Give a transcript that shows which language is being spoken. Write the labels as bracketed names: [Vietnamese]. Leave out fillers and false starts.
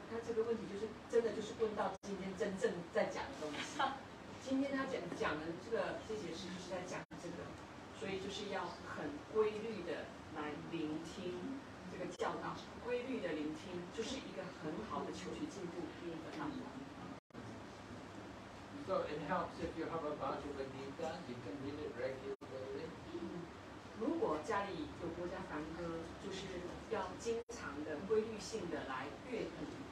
[Chinese] 他这个问题就是真的就是问到今天真正在讲的东西。今天他讲的这节诗就是在讲这个，所以就是要很规律的来聆听这个教导，规律的聆听就是一个很好的求学进步的方法。 [English] So it helps if you have a Bhagavad Gita, you can read it regularly. [Chinese] 如果家里有国家梵歌，就是要经常的、规律性的来阅读。